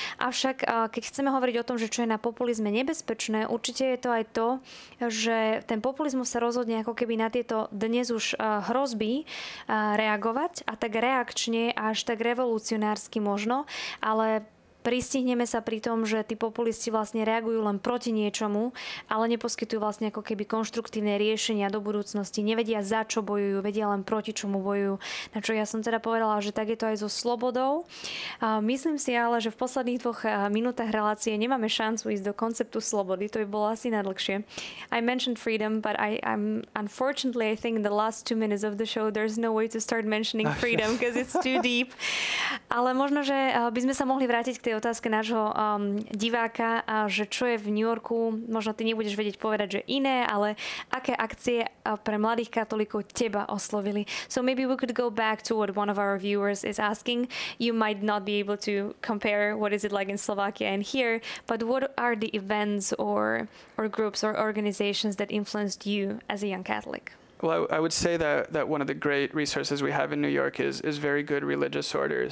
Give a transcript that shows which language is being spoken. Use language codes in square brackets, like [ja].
[sk] Avšak keď chceme hovoriť o tom, že čo je na populizme nebezpečné, určite je to aj to, že ten populizmus sa rozhodne ako keby na tieto dnes už hrozby reagovať, a tak reakčne až tak revolucionársky možno, ale pristihneme sa pri tom, že tí populisti vlastne reagujú len proti niečomu, ale neposkytujú vlastne ako keby konštruktívne riešenia do budúcnosti. Nevedia, za čo bojujú, vedia len proti čomu bojujú. Na čo ja som teda povedala, že tak je to aj so slobodou. Myslím si ale, že v posledných dvoch minútach relácie nemáme šancu ísť do konceptu slobody. To by bolo asi najdlhšie. [en] I mentioned freedom, but unfortunately I think the last 2 minutes of the show there's no way to start mentioning freedom because it's too deep. [sk] Ale možno, že by sme sa mohli vrátiť tej otázke nášho diváka, a že čo je v New Yorku, možno ty nebudeš vedieť povedať, že iné, ale aké akcie pre mladých katolíkov teba oslovili. [en] So maybe we could go back to what one of our viewers is asking. You might not be able to compare what is it like in Slovakia and here, but what are the events or groups or organizations that influenced you as a young Catholic? Well, I would say that one of the great resources we have in New York is very good religious orders.